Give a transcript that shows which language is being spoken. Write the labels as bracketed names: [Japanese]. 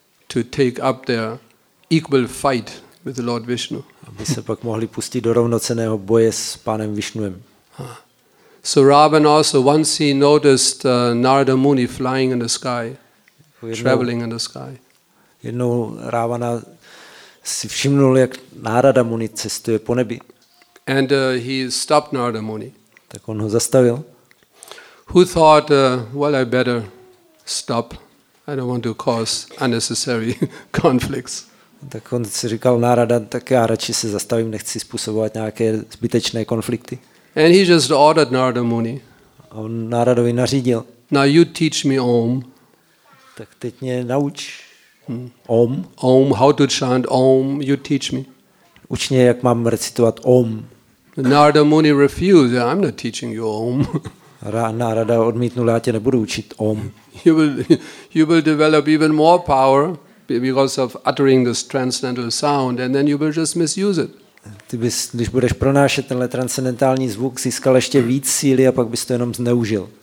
[English] To take up their equal fight with the Lord Vishnu. [Czech] Aby se pak mohli pustit do rovnocenného boje s pánem Vishnuem. [English] So Ravana also once he noticed Narada Muni flying in the sky, traveling in the sky. [Czech] Jednou Ravana si všimnul, jak Narada Muni cestuje po nebi. [English] And he stopped Narada Muni. [Czech] Tak on ho zastavil. [English] Who thought, well, I better stop. I don't want to cause unnecessary conflicts. [Czech] Tak on si říkal Narada, tak já radši se zastavím, nechci způsobovat nějaké zbytečné konflikty. [English] And he just ordered Narada Muni. [Czech] A on Náradovi nařídil. [English] Now you teach me Om. [Czech] Tak teď mě nauč. Om. [English] Om, how to chant Om, you teach me. [Czech] Uč mě, jak mám recitovat Om. [English] Narada Muni refused, I'm not teaching you Om. [Czech] Narada odmítnul, já tě nebudu učit Om. [English] You will develop even more power because of uttering this transcendental sound and then you will just misuse it. [Czech] Ty bys, když budeš pronášet tenhle transcendentální zvuk, získal ještě víc síly a pak bys to jenom zneužil.